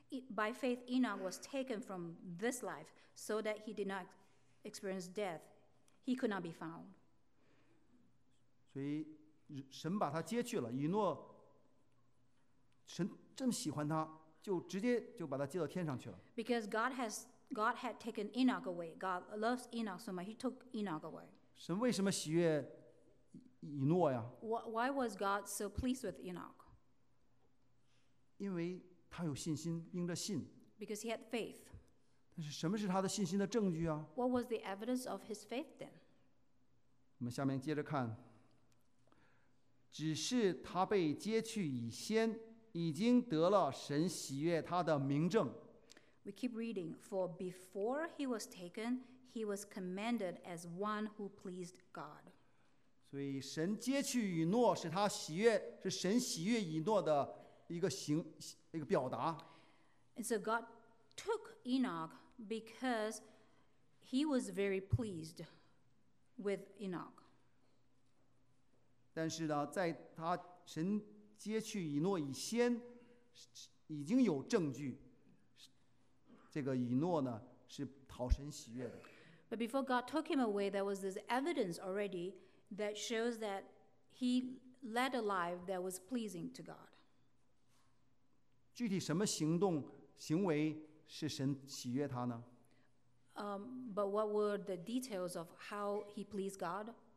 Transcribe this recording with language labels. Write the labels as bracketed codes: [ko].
[en] By faith, Enoch was taken from this life, so that he did not experience death. He could not be found. [zh] 所以神把他接去了。以诺，神这么喜欢他。就直接就把他接到天上去了。 [en] Because God had taken Enoch away. God loves Enoch so much. He took Enoch away. [zh] 神为什么喜悦以诺呀？ [en] Why was God so pleased with Enoch? [zh] 因为他有信心，因着信。 [en] Because he had faith. [zh] 但是什么是他的信心的证据啊？ [en] What was the evidence of his faith then? [zh] 我们下面接着看，只是他被接去以先。已经得了神喜悦他的名证。 [en] We keep reading. For before he was taken, he was commended as one who pleased God. [zh] 所以神接去以诺，使他喜悦，是神喜悦以诺的一个表达。 [en] And so God took Enoch because he was very pleased with Enoch. [zh] 但是呢，在他神接去以诺以先，已经有证据。这个以诺呢，是讨神喜悦的。 [en] But before God took him away, there was this evidence already that shows that he led a life that was pleasing to God. [zh] 具体什么行动行为是神喜悦他呢？ [en] But what were the details of how he pleased God?